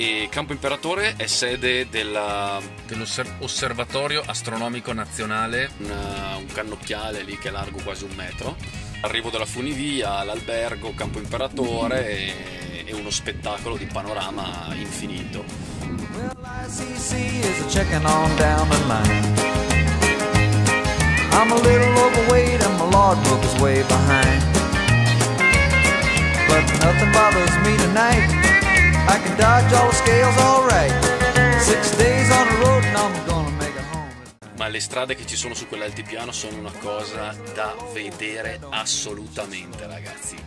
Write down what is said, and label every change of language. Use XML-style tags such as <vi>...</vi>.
<it>Campo Imperatore è sede dell'Osservatorio Astronomico Nazionale, un cannocchiale lì che è largo quasi un metro. Arrivo dalla funivia all'albergo Campo Imperatore e uno spettacolo di panorama infinito.</it> <en>Well, ICC is checking on down the line. I'm a little overweight and my logbook is way behind. But nothing bothers me tonight. I can dodge all the scales, all right. 6 days on the road and I'm gonna make it home.</en> <it>Ma le strade che ci sono su quell'altipiano sono una cosa da vedere assolutamente, ragazzi.</it>